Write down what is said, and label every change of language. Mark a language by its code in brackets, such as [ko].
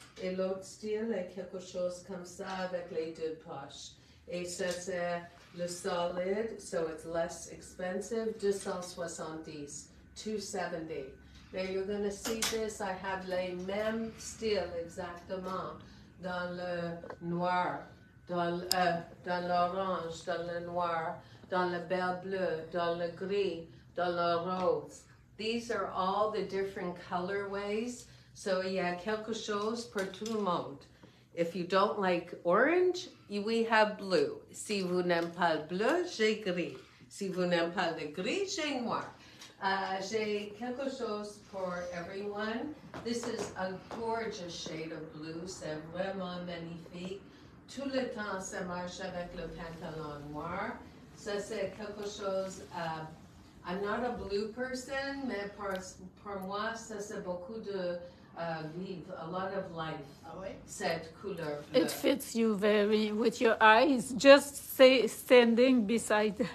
[fr] Et l'autre style est quelque chose comme ça avec les deux poches. Et ça, c'est le solide, [en] so it's less expensive. 270, 270. Now you're going to see this. I have [fr] les mêmes styles exactement dans le noir, dans l'orange, dans le noir, dans le bel bleu, dans le gris, dans le rose. [en] These are all the different colorways. [fr] So il y a quelque chose pour tout le monde. [en] If you don't like orange, we have blue. [fr] Si vous n'aimez pas le bleu, j'ai gris. Si vous n'aimez pas le gris, j'ai noir. J'ai quelque chose pour [en] everyone. This is a gorgeous shade of blue. [fr] C'est vraiment magnifique. Tout le temps, ça marche avec le pantalon noir. Ça, c'est quelque chose... [en] I'm not a blue person, [fr] mais pour moi, ça, c'est beaucoup de... vive, [en] a lot of life, [fr] cette couleur bleue. [en] It fits you very, with your eyes, just say standing beside.